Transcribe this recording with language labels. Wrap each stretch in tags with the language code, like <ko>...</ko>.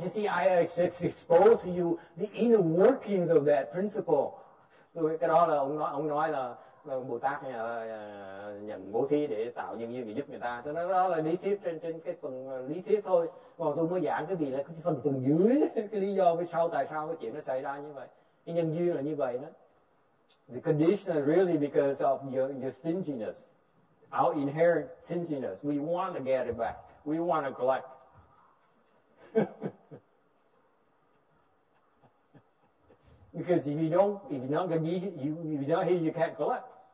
<en>You see, I expose to you the inner workings of that principle.</en> <vi>Rồi cái đó là ông nói là Bồ Tát nhận bố thí để tạo nhân duyên để giúp người ta. Thế nó đó là lý thuyết trên cái phần lý thuyết thôi. Còn tôi mới giảng cái gì là cái phần dưới cái lý do phía sau tại sao cái chuyện nó xảy ra như vậy. Cái nhân duyên là như vậy đó.</vi> <en>The condition is really because of your stinginess, our inherent stinginess. We want to get it back. We want to collect. Because if you're not here, you can't collect.</en>